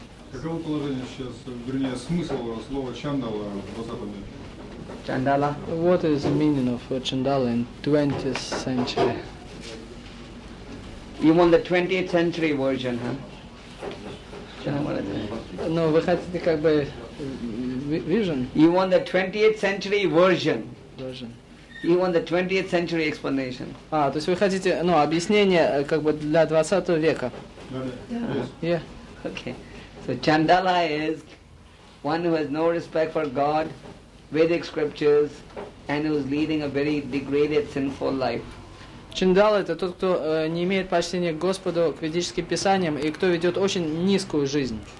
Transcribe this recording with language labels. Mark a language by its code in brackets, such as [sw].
[ru] Каково положение сейчас, вернее, смысл слова чандала в 20 веке? Чандала. [en] What is the meaning of чандала in 20th century? You want the 20th century version, huh? [ru] No, вы хотите как бы vision? [en] You want the 20th century version. Version. You want the 20th century explanation. [ru] А, то есть вы хотите, ну, объяснение как бы для 20 века. [en] Yeah. Okay. So Chandala is one who has no respect for God, Vedic scriptures, and who is leading a very degraded, sinful life. [ru] Чандал – это тот, кто не имеет почтения к Господу, к ведическим писаниям, и кто ведет очень низкую жизнь.